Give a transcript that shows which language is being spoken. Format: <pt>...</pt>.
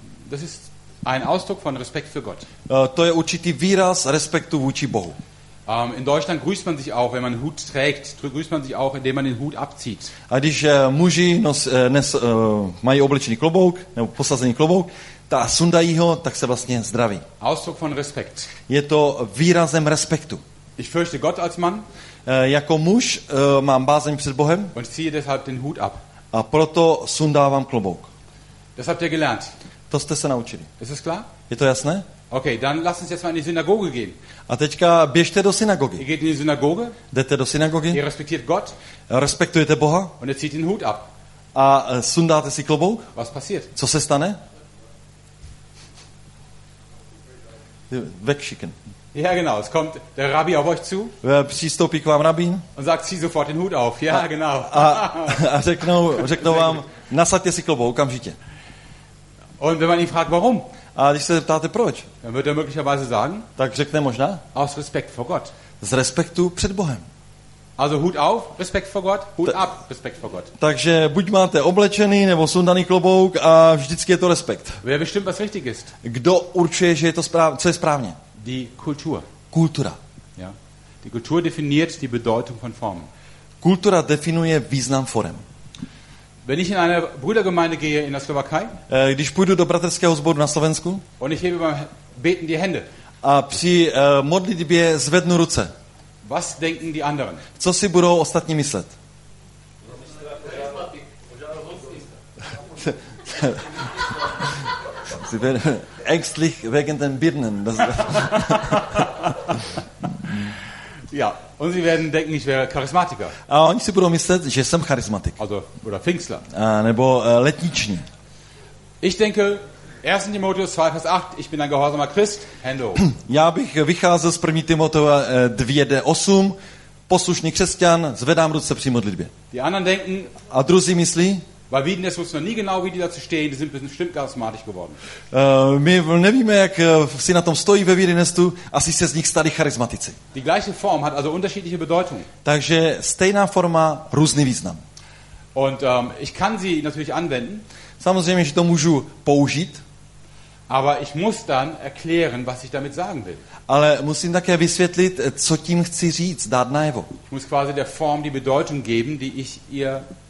<de>Das ist ein Ausdruck von Respekt für Gott.</de> <cs>To je určitý výraz respektu vůči Bohu.</cs> <de>In Deutschland grüßt man sich auch, wenn man Hut trägt, grüßt man sich auch, indem man den Hut abzieht.</de> <cs>A když muži mají oblečený klobouk, nebo posazený klobouk, a sundají ho, tak se vlastně zdraví.</cs> <de>Ausdruck von Respekt.</de> <cs>Je to výrazem respektu.</cs> <de>Ich fürchte Gott als Mann.</de> <cs>Jako muž mám bázeň před Bohem.</cs> <de>Und ziehe deshalb den Hut ab.</de> <cs>A proto sundávám klobouk.</cs> <de>Das habt ihr gelernt.</de> <cs>To jste se naučili.</cs> <de>Ist es klar?</de> <cs>Je to jasné?</cs> <de>Okay, dann lass uns jetzt mal in die Synagoge gehen.</de> <cs>A teďka běžte do synagogy.</cs> <de>Ihr geht in die Synagoge.</de> <cs>Jdete do synagogy.</cs> <de>Ihr respektiert Gott.</de> <cs>Respektujete Boha.</cs> <de>Und ihr zieht den Hut ab.</de> <cs>A sundáte si klobouk.</cs> <de>Was passiert?</de> <cs>Co se stane?</cs> <de>Wegschicken. Ja, genau, es kommt der Rabbi auf euch zu.</de> <cs>Přistoupí k vám rabín.</cs> <de>Und sagt, zieh sofort den Hut auf. Ja, genau.</de> <cs>A řeknou vám, nasaďte si klobouk, okamžitě.</cs> <de>Und wenn man ihn fragt, warum?</de> <cs>A když se ptáte, proč?</cs> <de>Dann wird er möglicherweise sagen,</de> <cs>tak řekne možná,</cs> <de>aus Respekt vor Gott.</de> <cs>Z respektu před Bohem.</cs> <de>Also Hut auf, Respekt vor Gott, Hut ab, Respekt vor Gott.</de> <cs>Takže buď máte oblečený nebo sundaný klobouk a vždycky je to respekt.</cs> <de>Wer bestimmt, was richtig ist?</de> <cs>Kdo určuje, že je to co je správně?</cs> <de>Die Kultur.</de> <cs>Kultura.</cs> <de>Ja. Die Kultur definiert die Bedeutung von Formen.</de> <cs>Kultura definuje význam forem.</cs> <de>Wenn ich in eine Brüdergemeinde gehe in der Slowakei,</de> <cs>když půjdu do bratrského sboru na Slovensku,</cs> <de>und ich hebe beim Beten die Hände,</de> <cs>a při modlitbě zvednu ruce,</cs> <de>was denken die anderen?</de> <cs>Co si budou ostatní myslet?</cs> <de>Sie werden ängstlich wegen den Birnen. Ja, und sie werden denken, ich wäre Charismatiker.</de> <cs>A oni si budou myslet, že jsem charismatik.</cs> <de>Also, oder Pfingstler.</de> <cs>Nebo letniční.</cs> <de>Ich denke, 1. Timotheus 2, Vers 8, ich bin ein gehorsamer Christ, Hände hoch.</de> <cs>Já bych vycházel z 1. Timotheus 2:8, poslušný křesťan, zvedám ruce při modlitbě.</cs> <de>Die anderen denken,</de> <cs>a druzí myslí,</cs> <de>weil wir das wussten nie genau, wie die dazu stehen, die sind bestimmt charismatisch geworden.</de> <cs>My nevíme, jak si na tom stojí ve Vídeňestu, asi se z nich stali charismatici.</cs> <de>Die gleiche Form hat also unterschiedliche Bedeutung.</de> <cs>Takže stejná forma, různý význam.</cs> <de>Und ich kann sie natürlich anwenden.</de> <cs>Samozřejmě, že to můžu použít.</cs> <de>Aber ich muss dann erklären, was ich damit sagen will.</de> <cs>Ale musím také vysvětlit, co tím chci říct, dát najevo.</cs> <de>Ich muss quasi der Form die Bedeutung geben, die ich ihr</de>